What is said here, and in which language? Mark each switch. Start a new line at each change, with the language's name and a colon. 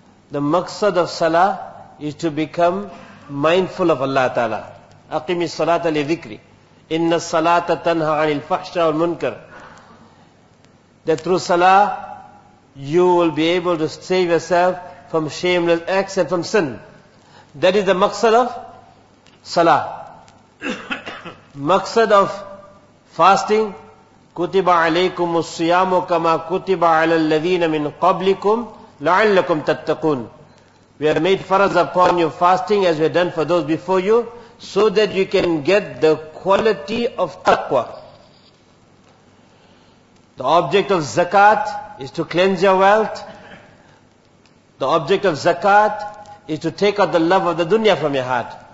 English: The maqsad of salah is to become mindful of Allah ta'ala.
Arabic: أَقِيمِ الصَّلَاةَ لِذِكْرِ. إِنَّ الصَّلَاةَ تَنْهَى عَنِ الْفَحْشَةَ وَالْمُنْكَرِ.
English: That through salah, you will be able to save yourself from shameless acts and from sin. That is the maqsad of salah. Maqsad of fasting,
Arabic: كُتِبَ عَلَيْكُمُ الصِّيَامُ كَمَا كُتِبَ عَلَى الَّذِينَ مِنْ قَبْلِكُمْ لَعَلَّكُمْ تَتَّقُونَ.
English: We have made farz upon you fasting as we have done for those before you, so that you can get the quality of taqwa. The object of zakat is to cleanse your wealth. The object of zakat is to take out the love of the dunya from your heart.